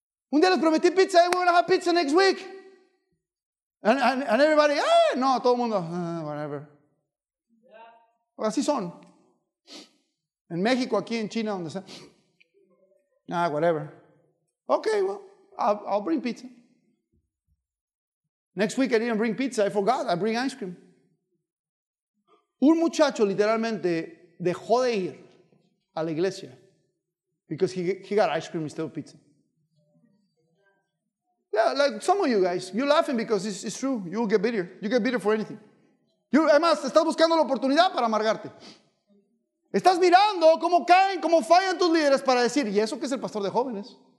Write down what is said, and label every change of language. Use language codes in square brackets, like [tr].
[es] Un día les prometí pizza, [en] we're gonna have pizza next week. And everybody, [es] no, todo el mundo, [en] whatever. Yeah. [es] Así son. En México, aquí en China, donde sea. [en] Ah, whatever. Okay, well, I'll bring pizza. Next week I didn't bring pizza, I forgot, I bring ice cream. [es] Un muchacho literalmente dejó de ir a la iglesia [en] because he got ice cream instead of pizza. Yeah, like some of you guys, you're laughing because it's true. You'll get bitter. You get bitter for anything. [es] You, además, estás buscando la oportunidad para amargarte. Estás mirando cómo caen, cómo fallan tus líderes para decir, ¿y eso qué es el pastor de jóvenes?